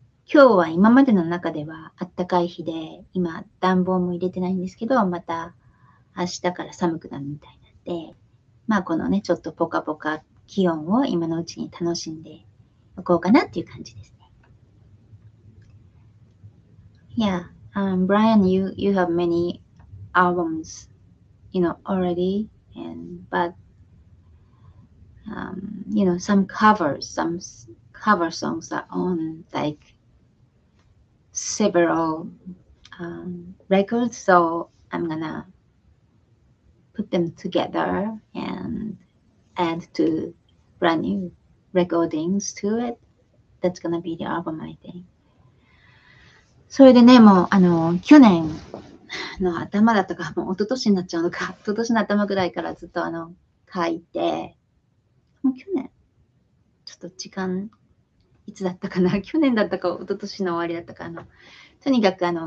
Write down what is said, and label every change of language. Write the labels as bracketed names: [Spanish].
[Japanese] 今日は今までの中では暖かい日で、今暖房も入れてないんですけど、また明日から寒くなるみたいなんで、まあこのね、ちょっとポカポカ気温を今のうちに楽しんでおこうかなっていう感じですね。 [English] Yeah, Brian, you have many albums, you know, already, some cover songs are on, several records, so I'm gonna put them together and add to brand new recordings to it. That's gonna be the album, I think. [Japanese] それでね、もう去年の頭だとか、もう一昨年になっちゃうのか、一昨年の頭ぐらいからずっと書いて、もう去年、ちょっと時間、いつだったかな、去年だったか一昨年の終わりだったか、とにかく